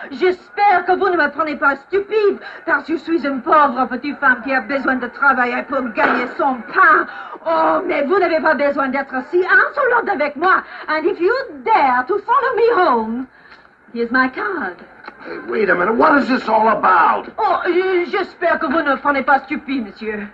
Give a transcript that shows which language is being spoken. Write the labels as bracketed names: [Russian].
[French] J'espère que vous ne me prenez pas stupide, parce que je suis une pauvre petite femme qui a besoin de travailler pour gagner son pain. Oh, mais vous n'avez pas besoin d'être si insolente avec moi. [English] And if you dare to follow me home, here's my card. Hey, wait a minute, what is this all about? [French] Oh, j'espère que vous ne prenez pas stupide, monsieur.